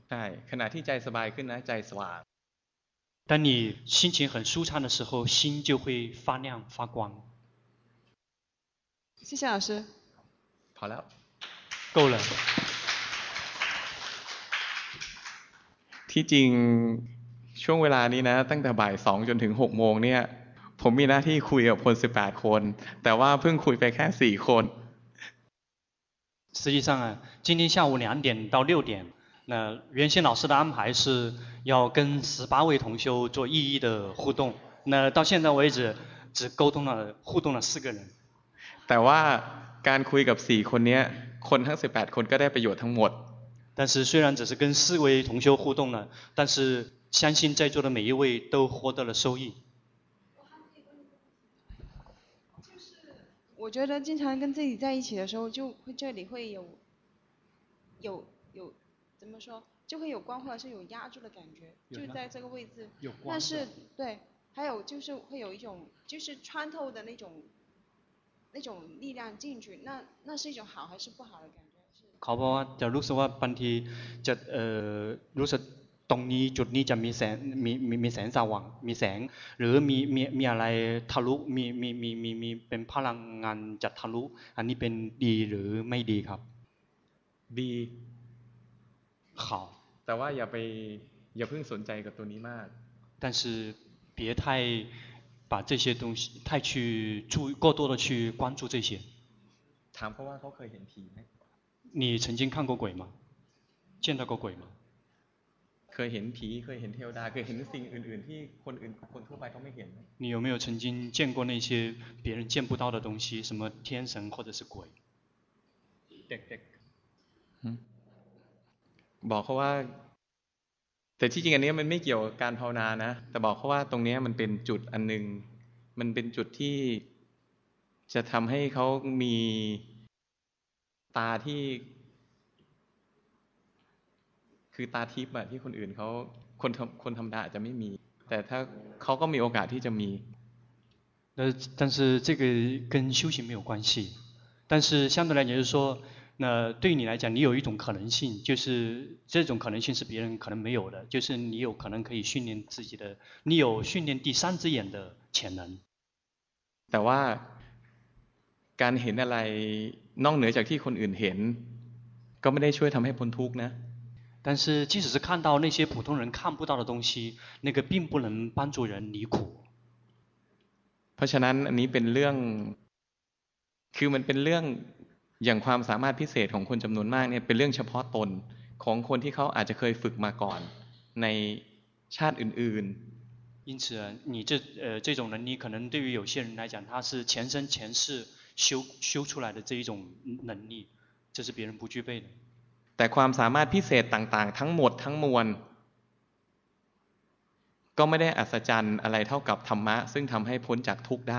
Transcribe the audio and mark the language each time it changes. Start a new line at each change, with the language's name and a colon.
Thai: ใช่ขณะที่ใจสบายขึ้นนะใจสว่าง
Chinese: 当你心情很舒畅的时候心就会发亮发光谢谢老师好了够了
Thai: ที่จริงช่วงเวลานี้นะตั้งแต่บ่ายสองจนถึงหกโมงเนี่ยผมมีหน้าที่คุยกับคนสิบแปดคนแต่ว่าเพิ่งคุยไปแค่สี่คน
Chinese: 实际上啊今天下午两点到六点那原先老师的安排是要跟十八位同修做一一的互动那到现在为止只沟通了互动了四个人
Thai: แต่ว่าการคุยกับสี่คนนี้คนทั้งสิบแปดคนก็ได้ประโยชน์ทั้งหมด
Chinese: 但是虽然只是跟四位同修互动了但是相信在座的每一位都获得了收益我觉得经常跟自己在一起的时候，就会这里会有怎么说，就会有光或者是有压住的感觉，就在这个位置。有光。但是对，还有就是会有一种就是穿透的那种力量进去，那是一种好还是不好的感觉？
Thai: เขาบอกว่าจะรู้สึกว่าบางทีจะรู้สึกตรงนี้จุดนี้จะมีแสงมีแสงสว่างมีแสงหรือมีอะไรทะลุมีเป็นพลังงานจะทะลุอันนี้เป็นดีหรือไม่ดีครับ ดี ขาว แต่ว่าอย่าเพิ่งสนใจกับตัวนี้มาก
Chinese: 但是别太把这些东西太去注意过多的去关注这些
Thai: ถามเพราะว่าเขาเคยเห็นผีไหม
Chinese: 你曾经看过鬼吗见到过鬼吗
Thai: เคยเห็นผีเคยเห็นเทวดาเคยเห็นสิ่งอื่นๆที่คนอื่นคนทั่วไปเขาไม่เห็น
Chinese: 你有没有曾经见过那些别人见不到的东西什么天神或者是鬼
Thai: เด็กๆบอกเขาว่าแต่ที่จริงอันนี้มันไม่เกี่ยวกับการภาวนานะแต่บอกเขาว่าตรงนี้มันเป็นจุดอันนึงมันเป็นจุดที่จะทำให้เขามีตาที่คือตาทิพย์อะที่คนอื่นเขาคนธรรมดาอาจจะไม่มีแต่ถ้าเขาก็มีโอกาสที่จะมี
Chinese: 但是这个跟修行没有关系但是相对来讲就是说那对你来讲你有一种可能性就是这种可能性是别人可能没有的就是你有可能可以训练自己的你有训练第三只眼的潜能
Thai: แต่ว่าการเห็นอะไรนอกเหนือจากที่คนอื่นเห็นก็ไม่ได้ช่วยทำให้พ้นทุกข์นะ
Chinese: 但是即使是看到那些普通人看不到的东西那个并不能帮助人离苦
Thai: เพราะฉะนั้นอันนี้เป็นเรื่องคือมันเป็นเรื่องอย่างความสามารถพิเศษของคนจำนวนมากเนี่ยเป็นเรื่องเฉพาะตนของคนที่เขาอาจจะเคยฝึกมาก่อนในชาติอื่น
Chinese: ๆ因此你这种能力可能对于有些人来讲他是前生前世修出来的这一种能力这是别人不具备的
Thai: แต่ความสามารถพิเศษต่างๆทั้งหมดทั้งมวลก็ไม่ได้อัศจรรย์อะไรเท่ากับธรรมะซึ่งทำให้พ้นจากทุกข์ได